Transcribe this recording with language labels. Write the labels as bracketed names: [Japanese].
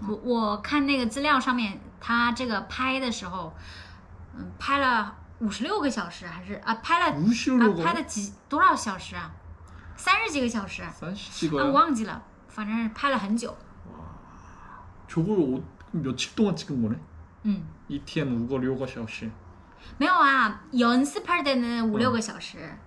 [Chinese] 我看那个资料上面，他这个拍的时候，拍了56个小时，还是拍了 56个？几多少小时啊？30几个小时， 30几个啊，呀？我忘记了，反正是拍了很久。 [Korean] 저걸 며칠 동안 찍은 거네? [Chinese] 5个6个小时。没有啊， [Korean] 연습할때는 [Chinese] 五六个小时。